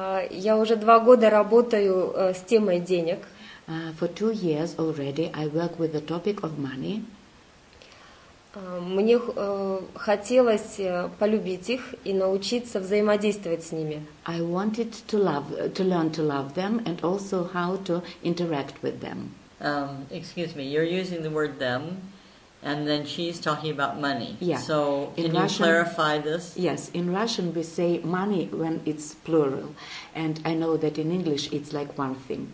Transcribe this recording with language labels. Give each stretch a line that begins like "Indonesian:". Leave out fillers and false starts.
Russian: Я уже два года работаю с темой денег.
English: For 2 years already I work with the topic of money.
Russian: Мне хотелось полюбить их и научиться взаимодействовать с ними.
English: I wanted to learn to love them and also how to interact with them. Excuse me, you're using the word them. And then she's talking about money. Yeah. So can you clarify this? Yes. In Russian, we say money when it's plural. And I know that in English, it's like one thing.